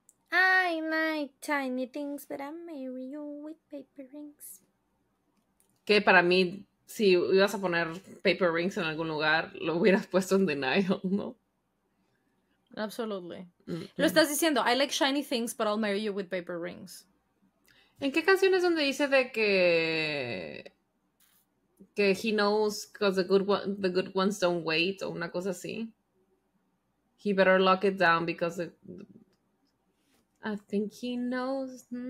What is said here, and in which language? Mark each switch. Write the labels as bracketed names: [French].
[English] I like tiny things, but I marry you with paper rings. [Spanish] Que para mí, si ibas a poner [English] paper rings [Spanish] en algún lugar, lo hubieras puesto en denial, ¿no? [English] Absolutely. [Spanish] Lo estás diciendo, [English] I like shiny things, but I'll marry you with paper rings. [Spanish] ¿En qué canción es donde dice de que [English] he knows because the good ones don't wait, [Spanish] o una cosa así? [English] He better lock it down because I think he knows.